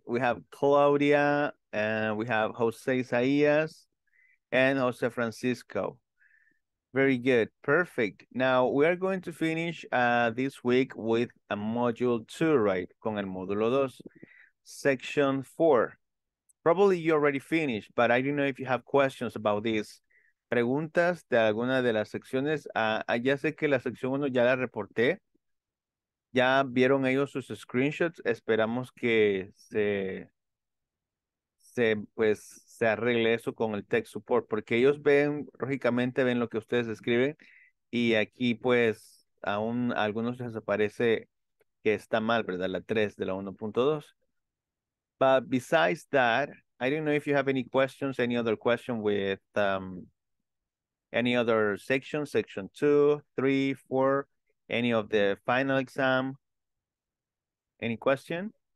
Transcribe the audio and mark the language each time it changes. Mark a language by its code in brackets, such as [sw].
[en] We have Claudia, and we have Jose Isaias and Jose Francisco. Very good. Perfect. Now we are going to finish this week with a module two, right? [es] Con el módulo dos, [en] section four. Probably you already finished, but I don't know if you have questions about this. [es] Preguntas de alguna de las secciones. Ya sé que la sección uno ya la reporté. Ya vieron ellos sus screenshots. Esperamos que se arregle eso con el tech support, porque ellos ven, lógicamente ven lo que ustedes escriben, y aquí pues aún a algunos les aparece que está mal, ¿verdad? La 3 de la 1.2. [en] But besides that, I don't know if you have any questions, any other question with any other section, section 2, 3, 4, any of the final exam. Any question?